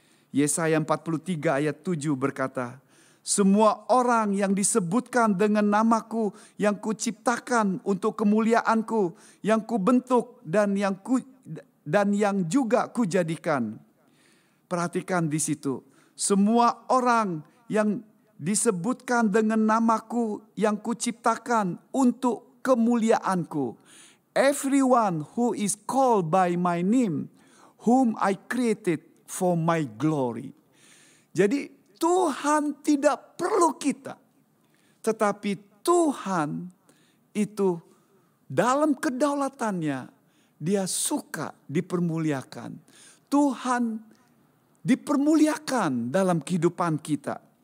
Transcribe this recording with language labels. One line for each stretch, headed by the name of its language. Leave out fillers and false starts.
Indonesian: Yesaya 43 ayat 7 berkata, semua orang yang disebutkan dengan namaku, yang kuciptakan untuk kemuliaanku, yang kubentuk dan yang juga kujadikan. Perhatikan di situ. Semua orang yang disebutkan dengan namaku, yang kuciptakan untuk kemuliaanku.
English: Everyone who is called by my name, whom I created for my glory.
Indonesian: Jadi Tuhan tidak perlu kita. Tetapi Tuhan itu dalam kedaulatannya, dia suka dipermuliakan. Tuhan dipermuliakan dalam kehidupan kita.